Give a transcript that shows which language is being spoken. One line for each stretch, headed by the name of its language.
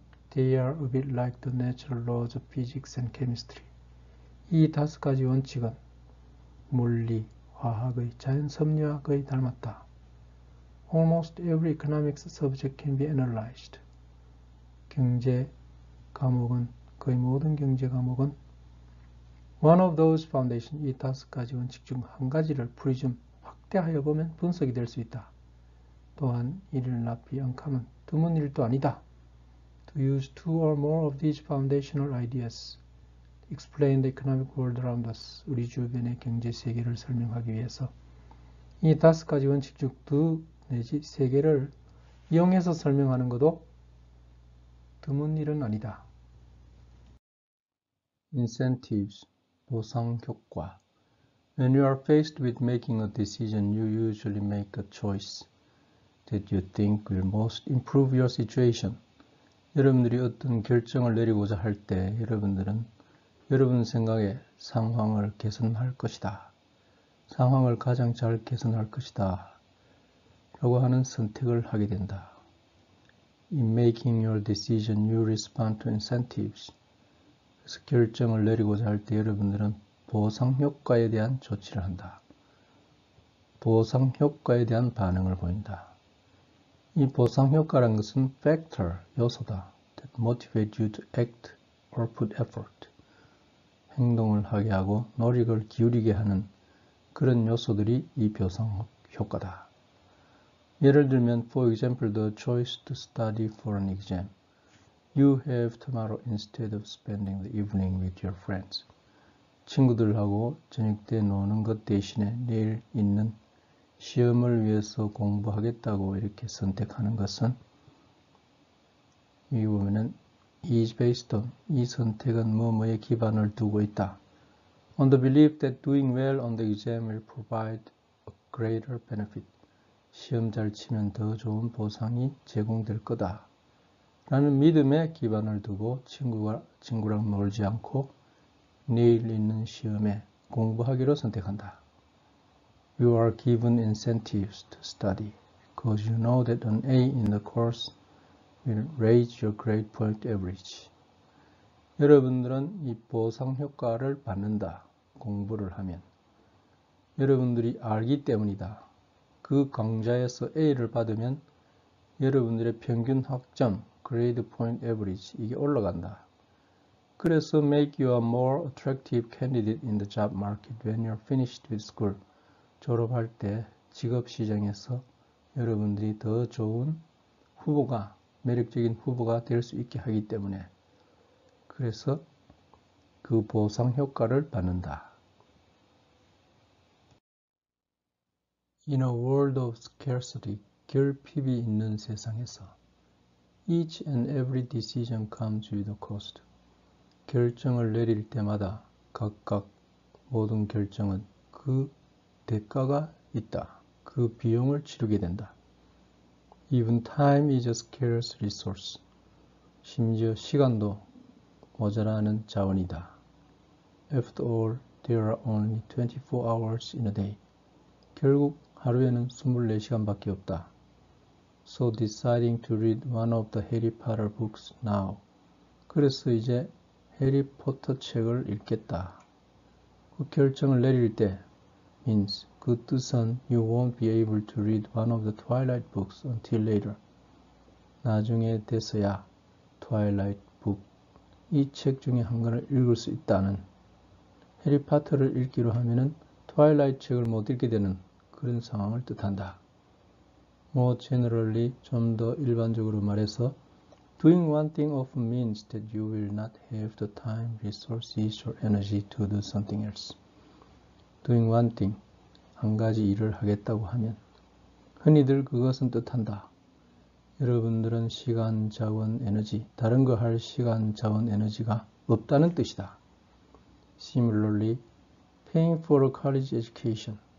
English: They are a bit like the natural laws of physics and chemistry.
Korean: 이 다섯 가지 원칙은 물리, 화학의, 자연 섭리학의 닮았다.
English: Almost every economics subject can be analyzed.
Korean: 경제 과목은, 거의 모든 경제 과목은
English: one of those foundations,
Korean: 이 다섯 가지 원칙 중한 가지를 prism, 확대하여 보면 분석이 될수 있다. 또한 이를 납비 안감은 드문 일도 아니다.
English: To use two or more of these foundational ideas, explain the economic world around us,
Korean: 우리 주변의 경제 세계를 설명하기 위해서 이 다섯 가지 원칙 중두 내지 세 개를 이용해서 설명하는 것도 드문 일은 아니다. Incentives, 보상 효과.
English: When you are faced with making a decision, you usually make a choice that you think will most improve your situation.
Korean: 여러분들이 어떤 결정을 내리고자 할 때, 여러분들은 여러분 생각에 상황을 개선할 것이다. 상황을 가장 잘 개선할 것이다. 라고 하는 선택을 하게 된다.
English: In making your decision, you respond to incentives.
Korean: 그래서 결정을 내리고자 할때 여러분들은 보상 효과에 대한 조치를 한다. 보상 효과에 대한 반응을 보인다. 이 보상 효과란 것은 factor, 요소다.
English: That motivates you to act or put effort.
Korean: 행동을 하게 하고 노력을 기울이게 하는 그런 요소들이 이 보상 효과다. 예를 들면,
English: for example, the choice to study for an exam. You have tomorrow instead of spending the evening with your friends.
Korean: 친구들하고 저녁 때 노는 것 대신에 내일 있는 시험을 위해서 공부하겠다고 이렇게 선택하는 것은, 여기 보면은,
English: is based on,
Korean: 이 선택은 뭐뭐에 기반을 두고 있다.
English: On the belief that doing well on the exam will provide a greater benefit.
Korean: 시험 잘 치면 더 좋은 보상이 제공될 거다 라는 믿음에 기반을 두고 친구랑 놀지 않고 내일 있는 시험에 공부하기로 선택한다.
English: You are given incentives to study because you know that an A in the course will raise your grade point average.
Korean: 여러분들은 이 보상 효과를 받는다. 공부를 하면 여러분들이 알기 때문이다. 그 강좌에서 A를 받으면 여러분들의 평균 학점, grade point average, 이게 올라간다.
English: 그래서 make you a more attractive candidate in the job market when you're finished with school.
Korean: 졸업할 때 직업 시장에서 여러분들이 더 좋은 후보가, 매력적인 후보가 될수 있게 하기 때문에. 그래서 그 보상 효과를 받는다.
English: In a world of scarcity,
Korean: 결핍이 있는 세상에서,
English: each and every decision comes with a cost.
Korean: 결정을 내릴 때마다 각각 모든 결정은 그 대가가 있다. 그 비용을 치르게 된다.
English: Even time is a scarce resource.
Korean: 심지어 시간도 모자라는 자원이다.
English: After all, there are only 24 hours in a day.
Korean: 결국 하루에는 24시간밖에 없다.
English: So deciding to read one of the Harry Potter books now.
Korean: 그래서 이제 해리포터 책을 읽겠다. 그 결정을 내릴 때
English: means
Korean: 그 뜻은
English: you won't be able to read one of the Twilight books until later.
Korean: 나중에 돼서야 Twilight book 이책 중에 한 권을 읽을 수 있다는 해리포터를 읽기로 하면은 Twilight 책을 못 읽게 되는 그런 상황을 뜻한다.
English: More generally,
Korean: 좀더 일반적으로 말해서,
English: doing one thing often means that you will not have the time, resources, or energy to do something else. Doing one thing,
Korean: 한 가지 일을 하겠다고 하면 흔히들 그것은 뜻한다. 여러분들은 시간, 자원, 에너지, 다른 거할 시간, 자원, 에너지가 없다는 뜻이다.
English: Similarly, paying for a college education.